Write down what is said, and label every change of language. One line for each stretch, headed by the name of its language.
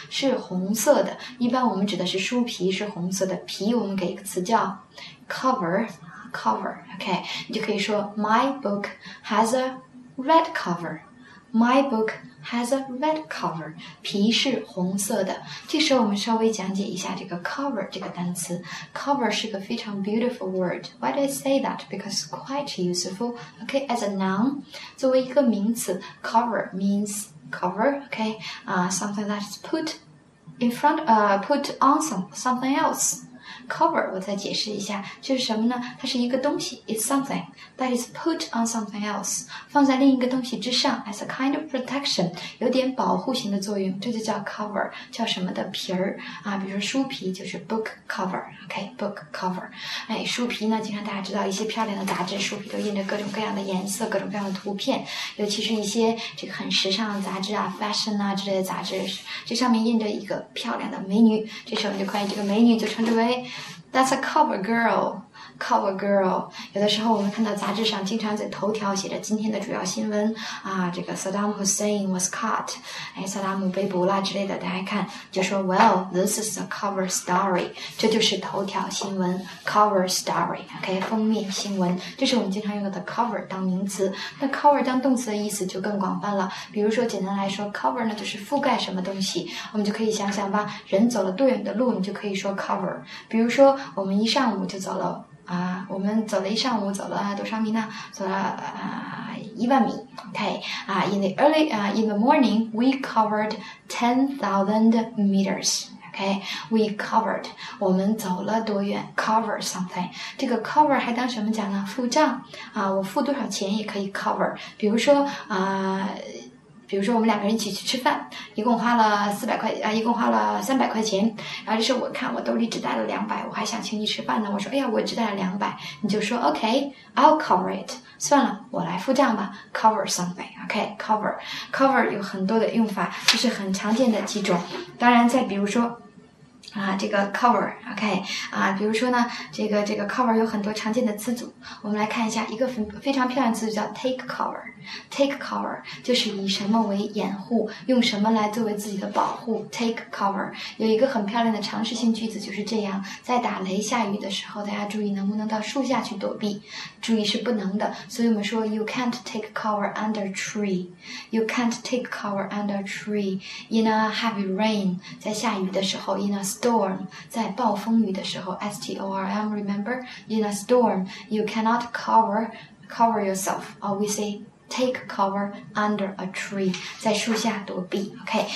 Chinese: 是红色的。一般我们指的是书皮是红色的，皮我们给一个词叫cover, OK, 你就可以说
English: My book has a red cover. My book has a red cover.
Chinese: 皮是红色的。这时候我们稍微讲解一下这个 cover 这个单词。
English: Cover
Chinese: 是个非常
English: beautiful word. Why do I say that? Because quite useful. OK, as a noun,
Chinese: 作为一个名词
English: cover means cover, OK,something that is put in front, put on something else.
Chinese: Cover, 我再解释一下，就是什么呢？它是一个东西 ，
English: it's something that is put on something else,
Chinese: 放在另一个东西之上 ，
English: as a kind of protection,
Chinese: 有点保护型的作用，这就叫 cover, 叫什么的皮儿啊？比如说书皮就是 book cover, OK, book cover, 哎，书皮呢，经常大家知道一些漂亮的杂志，书皮都印着各种各样的颜色，各种各样的图片，尤其是一些这个很时尚的杂志啊 ，fashion 啊之类的杂志，这上面印着一个漂亮的美女，这时候你就可以这个美女就称之为。
English: That's a cover girl, cover girl.
Chinese: 有的时候我们看到杂志上经常在头条写着今天的主要新闻啊，这个
English: Saddam Hussein was caught,
Chinese: 哎，萨达姆被捕了之类的，大家看就说
English: Well, this is a cover story.
Chinese: 这就是头条新闻 cover story. OK, 封面新闻，这是我们经常用的 cover 当名词。那 cover 当动词的意思就更广泛了。比如说简单来说 ，cover 呢就是覆盖什么东西，我们就可以想想吧。人走了多远的路，你就可以说 cover。比如说我们一上午就走了啊，我们走了一上午，走了多少米呢？走了一万米。
English: OK, 啊 ，in the morning we covered 10,000 meters. Okay, we covered.
Chinese: 我们走了多远 ？
English: Cover something.
Chinese: 这个 cover 还当什么讲呢？付账啊，我付多少钱也可以 cover. 比如说啊。比如说我们两个人一起去吃饭，一共花了一共花了300块钱，然后这时候我看我兜里只带了200，我还想请你吃饭呢，我说哎呀我只带了200，你就说
English: OK I'll cover it，
Chinese: 算了我来付账吧， cover something， OK cover， cover 有很多的用法，就是很常见的几种，当然再比如说啊，这个 cover， OK， 啊，比如说呢，这个 cover 有很多常见的词组，我们来看一下一个非常漂亮的词组叫 take cover， take cover 就是以什么为掩护，用什么来作为自己的保护， take cover。有一个很漂亮的常识性句子就是这样，在打雷下雨的时候，大家注意能不能到树下去躲避，注意是不能的，所以我们说
English: you can't take cover under tree，
Chinese: you can't take cover under tree。
English: In a heavy rain，
Chinese: 在下雨的时候，
English: in aStorm,
Chinese: 在暴风雨的时候
English: ,storm, remember? In a storm, you cannot cover yourself, or we say, take cover under a tree,
Chinese: 在树下躲避
English: ,OK?